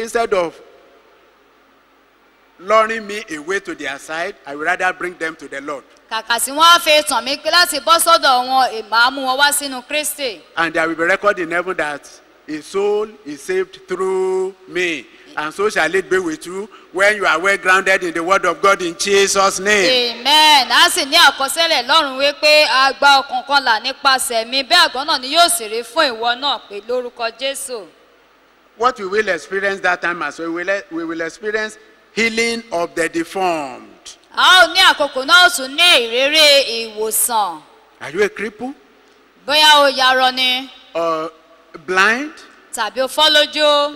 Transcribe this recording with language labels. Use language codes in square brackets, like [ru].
[en] Instead of luring me away to their side, I would rather bring them to the Lord. [yo] Kàkà sí wọn á fi tàn mí láti bọ́ sọ́dọ̀ wọn, máa mú wọn wá sínú Kristi. [en] And there will be record in heaven that a soul is saved through me. And so shall it be with you when you are well grounded in the word of God in Jesus' name. Amen. [yo] A sì ní àkọsílẹ̀ lọ́rùn wípé agba ọkàn kan là nípasẹ̀ mi, bẹ́ẹ̀ àgbọ̀n náà ni yóò sì rí fún ìwọ náà pé lórúkọ Jésù. [en] What we will experience that time as we will experience healing of the deformed. [yo] A ó ní àkókò náà ó tún ní ìrírí ìwòsàn. [en] Are you a cripple? [yo] Bóyá o yarọ ni. [en] Blind? [yo] Tàbí o fọ́lójú.